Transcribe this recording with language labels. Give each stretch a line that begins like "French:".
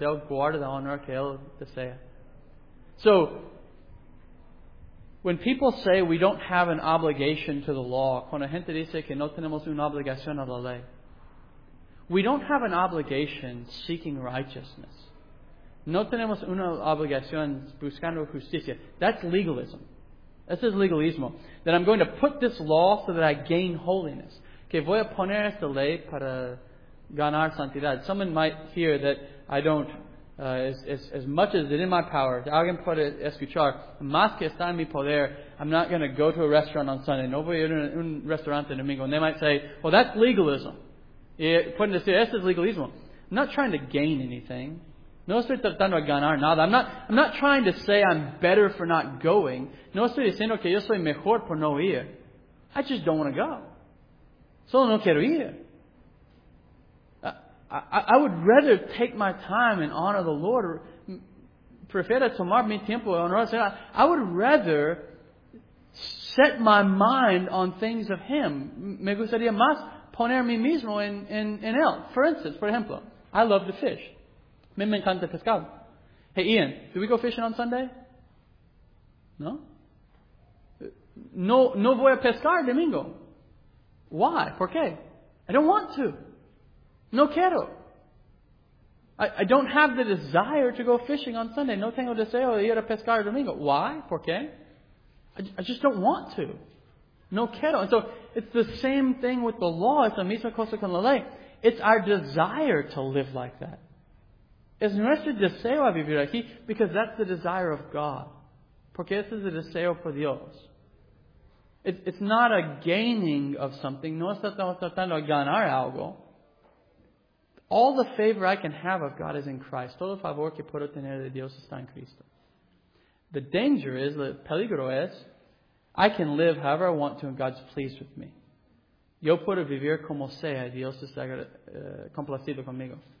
Spanish: Él guarda la honra que él desea.
English: So, when people say we don't have an obligation to the law,
Spanish: cuando gente dice que no tenemos una obligación a la ley,
English: we don't have an obligation seeking righteousness.
Spanish: No tenemos una obligación buscando justicia.
English: That's legalism.
Spanish: This is legalismo.
English: That I'm going to put this law so that I gain holiness.
Spanish: Que voy a poner esta ley para ganar santidad.
English: Someone might hear that I don't, as much as it's in my power,
Spanish: alguien puede escuchar, más que está en mi poder,
English: I'm not going to go to a restaurant on Sunday.
Spanish: No voy a ir a un restaurante domingo.
English: And they might say, well, that's legalism.
Spanish: Pueden decir, esto es legalismo.
English: I'm not trying to gain anything.
Spanish: No estoy tratando de ganar nada.
English: I'm not trying to say I'm better for not going.
Spanish: No estoy diciendo que yo soy mejor por no ir.
English: I just don't want to go.
Spanish: Solo no quiero ir.
English: I would rather take my time and honor the Lord.
Spanish: Prefiero tomar mi tiempo y honrar a Dios.
English: I would rather set my mind on things of Him.
Spanish: Me gustaría más poner mi mismo en él.
English: For instance,
Spanish: for ejemplo,
English: I love to fish.
Spanish: mí me encanta el pescado.
English: Hey, Ian, do we go fishing on Sunday? No.
Spanish: No, no voy a pescar domingo.
English: Why?
Spanish: ¿Por qué?
English: I don't want to.
Spanish: No quiero.
English: I don't have the desire to go fishing on Sunday.
Spanish: No tengo deseo de ir a pescar domingo.
English: Why?
Spanish: ¿Por qué?
English: I just don't want to.
Spanish: No quiero.
English: And so it's the same thing with the law. It's
Spanish: la misma cosa con la ley.
English: It's our desire to live like that.
Spanish: Es nuestro deseo a vivir aquí
English: because that's the desire of God.
Spanish: Porque ese es el deseo por Dios.
English: It's not a gaining of something.
Spanish: No estamos tratando de ganar algo.
English: All the favor I can have of God is in Christ.
Spanish: Todo favor que puedo tener de Dios está en Cristo.
English: The danger is, the
Spanish: peligro es,
English: I can live however I want to and God's pleased with me.
Spanish: Yo puedo vivir como sea, Dios está complacido conmigo.